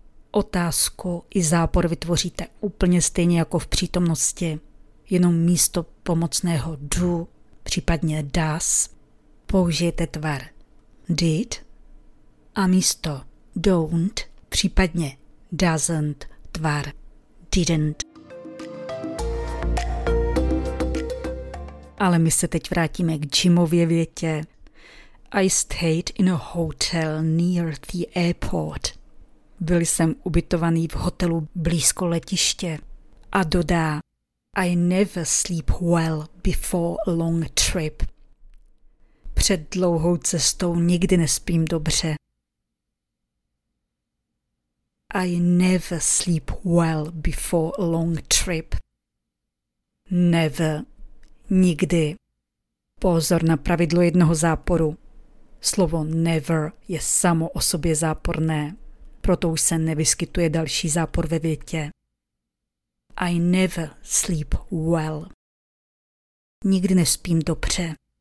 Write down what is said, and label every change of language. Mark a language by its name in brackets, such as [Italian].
[Czech] Otázku i zápor vytvoříte úplně stejně jako v přítomnosti, jenom místo pomocného do, případně does, použijete tvar did a místo don't, případně doesn't, tvar didn't. Ale my se teď vrátíme k Jimově větě. [English] I stayed in a hotel near the airport. [Czech] Byl jsem ubytovaný v hotelu blízko letiště. A dodá, [English] I never sleep well before a long trip. [Czech] Před dlouhou cestou nikdy nespím dobře. [English] I never sleep well before a long trip. Never. [Czech] Nikdy. Pozor na pravidlo jednoho záporu. Slovo never je samo o sobě záporné. Proto už se nevyskytuje další zápor ve větě. [English] I never sleep well. [Czech] Nikdy nespím dobře.